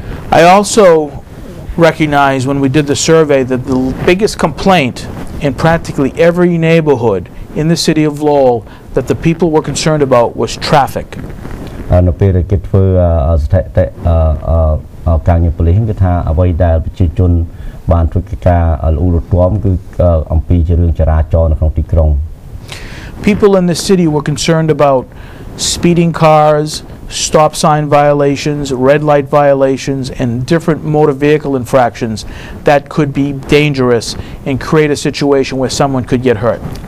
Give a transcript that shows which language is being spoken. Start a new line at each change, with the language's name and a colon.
English: I also recognize when we did the survey that the biggest complaint in practically every neighborhood in the city of Lowell that the people were concerned about was traffic.
Khmer: នៅពេលគេធ្វើស្ថិតិការងារប៉ូលីសគេថាអ្វីដែលប្រជាជនបានធ្វើការល្អរទាំគឺអំពីជារឿងចរាចរណ៍នៅក្នុងទីក្រុង
English: People in the city were concerned about speeding cars, stop sign violations, red light violations and different motor vehicle infractions that could be dangerous and create a situation where someone could get hurt.